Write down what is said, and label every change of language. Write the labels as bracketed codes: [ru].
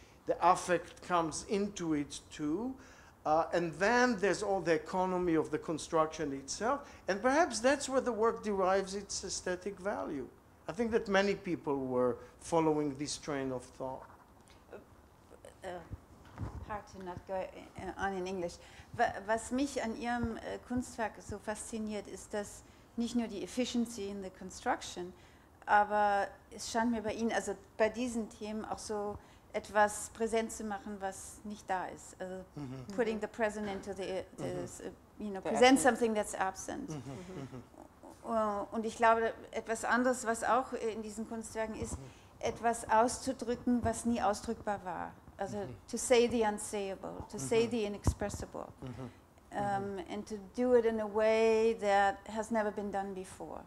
[en] The affect comes into it too, and then there's all the economy of the construction itself, and perhaps that's where the work derives its aesthetic value. I think that many people were following this train of thought. Hard to not go on in English. [de] Was mich an Ihrem Kunstwerk so fasziniert, ist, dass nicht nur die Efficiency in the construction, aber es scheint mir bei Ihnen, also bei diesen Themen, auch so etwas präsent zu machen, was nicht da ist. Also mm-hmm. [en] Putting the present into the, you know, the present absent. Something that's absent. Mm-hmm. Mm-hmm. [de] Und ich glaube, etwas anderes, was auch in diesen Kunstwerken ist, etwas auszudrücken, was nie ausdrückbar war. [en] Also mm-hmm. to say the unsayable, to mm-hmm. say the inexpressible. Mm-hmm. And to do it in a way that has never been done before.